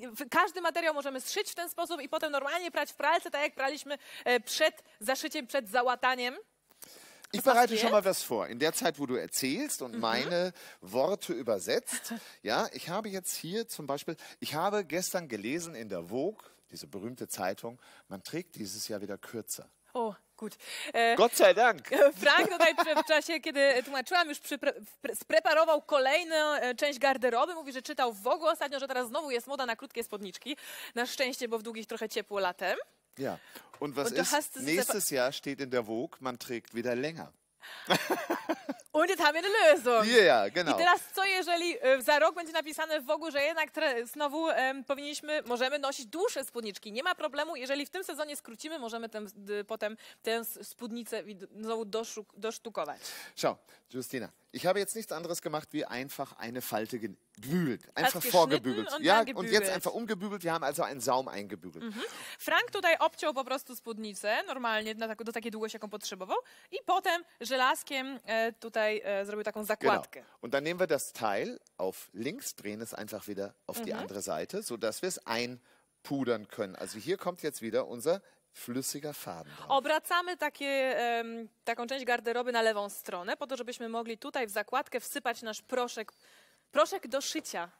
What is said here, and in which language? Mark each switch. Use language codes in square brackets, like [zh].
[pl] każdy materiał możemy zszyć w ten sposób i potem normalnie prać w pralce, tak jak praliśmy przed zaszyciem, przed załataniem. [de] Ich bereite schon mal was vor. In der Zeit, wo du erzählst und meine Worte übersetzt, ja, ich habe jetzt hier zum Beispiel, ich habe gestern gelesen in der Vogue, diese berühmte Zeitung, man trägt dieses Jahr wieder kürzer. Oh. Gut. Gott sei Dank. [pl] Frank tutaj w czasie, kiedy tłumaczyłam, już spreparował kolejną część garderoby. Mówi, że czytał w ogóle ostatnio, że teraz znowu jest moda na krótkie spodniczki. Na szczęście, bo w długich trochę ciepło latem. [de] Ja. Und was Und ist? Nächstes Jahr steht in der Vogue, man trägt wieder länger. Und jetzt haben wir eine Lösung. Yeah, genau. [pl] I teraz co, jeżeli za rok będzie napisane w ogóle, że jednak znowu powinniśmy, możemy nosić dłuższe spódniczki. Nie ma problemu, jeżeli w tym sezonie skrócimy, możemy potem tę spódnicę znowu dosztukować. [de] Schau, Justina, ich habe jetzt nichts anderes gemacht, wie einfach eine Falte gebügelt. Einfach vorgebügelt. Und ja, gebügelt. Und jetzt einfach umgebügelt, wir haben also einen Saum eingebügelt. Mhm. [pl] Frank tutaj obciął po prostu spódnicę, normalnie, do takiej długości, jaką potrzebował. I potem, że żelazkiem tutaj zrobił taką zakładkę. [de] Genau. Und dann nehmen wir das Teil auf links, drehen es einfach wieder auf die andere Seite, sodass wir es einpudern können. Also hier kommt jetzt wieder unser flüssiger Faden drauf. [pl] Obracamy takie, taką część garderoby na lewą stronę, po to, żebyśmy mogli tutaj w zakładkę wsypać nasz proszek, proszek do szycia.